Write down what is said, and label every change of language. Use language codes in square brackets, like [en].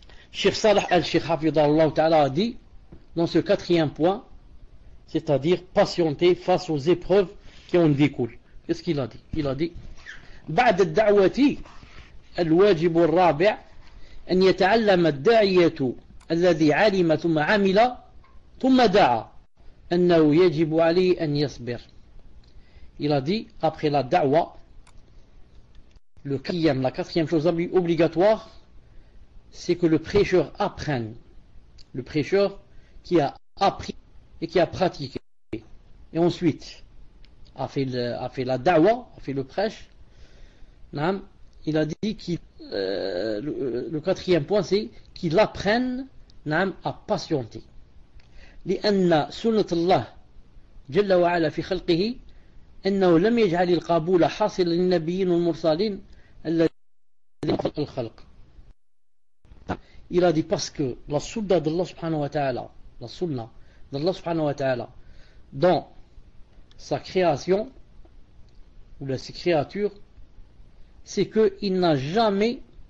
[fr] Cheikh Salah al-Sheikh Hafidhahullah Ta'ala a dit dans ce quatrième point, c'est-à-dire patienter face aux épreuves qui en découlent. Qu'est-ce qu'il a dit? Il a dit [ar] بعد الدعوة الواجب الرابع أن يتعلم الداعية الذي علم ثم عمل ثم دعا أنه يجب عليه أن يصبر. [fr] Il a dit après la da'wa, la quatrième chose obligatoire, c'est que le prêcheur apprenne, le prêcheur qui a appris et qui a pratiqué, et ensuite a fait la da'wa, a fait le prêche. Naam, il a dit que le quatrième point, c'est qu'il apprenne naam, à patienter. [ar] لأن سنة الله جل وعلا في خلقه أنه لم يجعل القبول حاصل للنبيين والمرسلين الذين خلق الخلق. [fr] Il a dit parce que la sunna d'Allah subhanahu wa ta'ala, la sunna d'Allah subhanahu wa ta'ala, dans sa création, ou dans ses créatures, c'est qu'il n'a jamais,